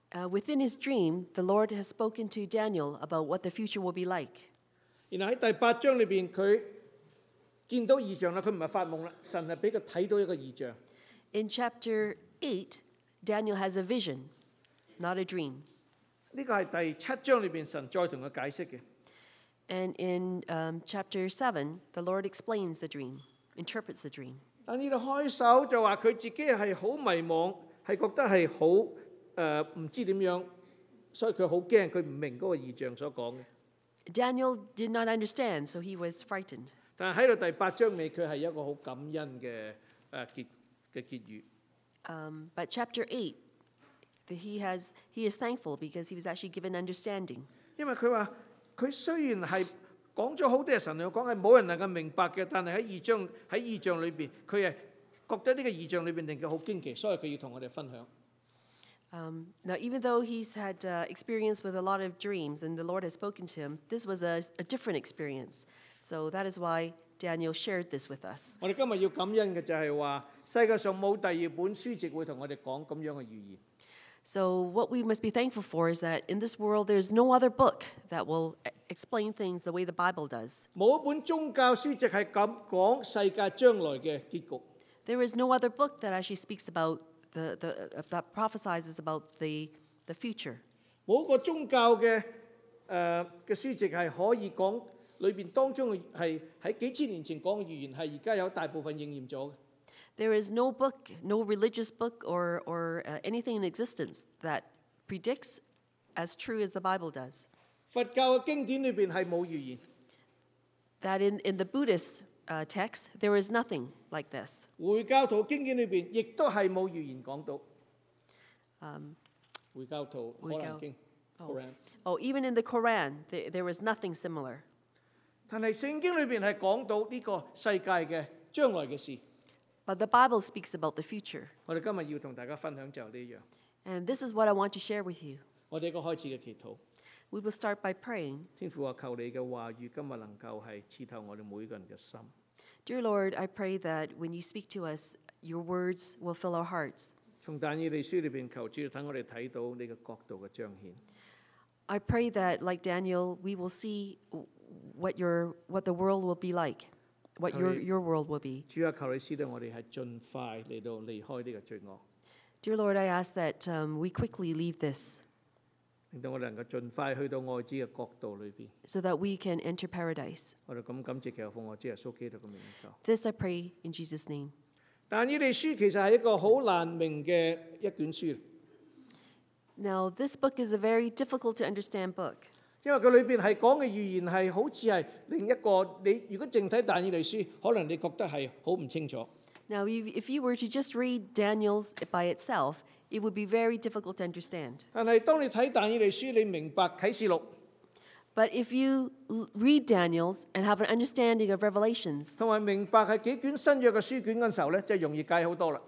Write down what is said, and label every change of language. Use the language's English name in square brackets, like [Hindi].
[English] Within his dream, the Lord has spoken to Daniel about what the future will be like. In the 8th chapter, he [Cantonese] 見到異象啦，佢唔係發夢啦，神係俾佢睇到一個異象。 [English] In chapter 8, Daniel has a vision, not a dream. [Cantonese] 呢個係第七章裏邊神再同佢解釋嘅。 [English] And in chapter 7, the Lord explains the dream, interprets the dream. [Cantonese] 但以利開手就話佢自己係好迷惘，係覺得係好唔知點樣，所以佢好驚，佢唔明嗰個異象所講嘅。 [English] Daniel did not understand, so he was frightened. [Cantonese] 但喺到第八章尾，佢係一個好感恩嘅結語。 [English] But chapter 8, he is thankful because he was actually given understanding. [Cantonese] 因為佢話佢雖然係講咗好多嘢，神又講係冇人能夠明白嘅，但係喺異象裏邊，佢係覺得呢個異象裏邊令佢好驚奇，所以佢要同我哋分享。 [English] Now, even though he's had experience with a lot of dreams and the Lord has spoken to him, this was a different experience. So that is why Daniel shared this with us. [Cantonese] 我哋今日要感恩嘅就係話，世界上冇第二本書籍會同我哋講咁樣嘅預言。 [English] So what we must be thankful for is that in this world there's no other book that will explain things the way the Bible does. [Cantonese] 冇一本宗教書籍係咁講世界將來嘅結局。 [English] There is no other book that actually speaks about that prophesizes about the future. [Cantonese] 冇一個宗教嘅書籍係可以講。裏邊當中係喺幾千年前講嘅預言，係而家有大部分應驗咗。 [English] There is no book, no religious book or anything in existence that predicts as true as the Bible does. [Cantonese] 佛教嘅經典裏邊係冇預言。 [English] That in the Buddhist text there is nothing like this. [Cantonese] 回教徒經典裏邊亦都係冇預言講到。回教徒可能經 Quran. [English] Oh, even in the Quran, there was nothing similar. [Cantonese] 但係聖經裏邊係講到呢個世界嘅將來嘅事。 [English] But the Bible speaks about the future. [Cantonese] 我哋今日要同大家分享就呢樣。 [English] And this is what I want to share with you. [Cantonese] 我哋一個開始嘅祈禱。 [English] We will start by praying. [Cantonese] 天父啊，求你嘅話語今日能夠係刺透我哋每個人嘅心。 [English] Dear Lord, I pray that when you speak to us, your words will fill our hearts. [Cantonese] 從但以理書裏邊求主等我哋睇到你嘅國度嘅彰顯。 [English] I pray that like Daniel, we will see. What the world will be like, what your world will be. [Cantonese] 主啊，求你使到我哋係盡快嚟到離開呢個罪惡。 [English] Dear Lord, I ask that we quickly leave this. [Cantonese] 令到我哋能夠盡快去到愛子嘅國度裏邊。 [English] So that we can enter paradise. [Cantonese] 我哋咁感謝祈求奉我主耶穌基督嘅名求。 [English] This I pray in Jesus' name. [Cantonese] 但以理書其實係一個好難明嘅一卷書。 [English] Now this book is a very difficult to understand book. [Cantonese] 因為佢裏邊係講嘅預言係好似係另一個你如果淨睇但以理書，可能你覺得係好唔清楚。 [English] Now, if you were to just read Daniel's by itself, it would be very difficult to understand. [Cantonese] 但係當你睇但以理書，你明白啟示錄。 [English] But if you read Daniel's and have an understanding of Revelations, [Cantonese] 同埋明白係幾卷新約嘅書卷嘅時候咧，就容易解好多啦。